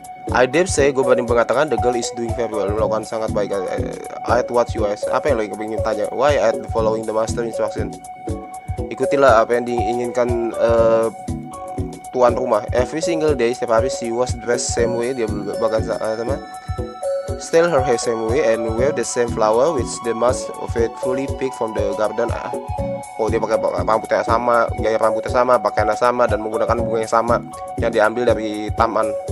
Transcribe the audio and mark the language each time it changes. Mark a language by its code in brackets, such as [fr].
[en] I dare say, [id] gue berani mengatakan [en] the girl is doing very well. [id] Melakukan sangat baik. [en] At what you ask? [id] Apa yang lo ingin tanya? [en] Why at following the master instruction? [id] Ikutilah apa yang diinginkan tuan rumah. [en] Every single day, [id] setiap hari, [en] she was dressed same way. [id] Dia bahkan sama. [en] Still her hair same way and wear the same flower which the master faithfully picked from the garden. [id] Oh, dia pakai rambutnya sama, gaya rambutnya sama, pakaiannya sama, dan menggunakan bunga yang sama yang diambil dari taman.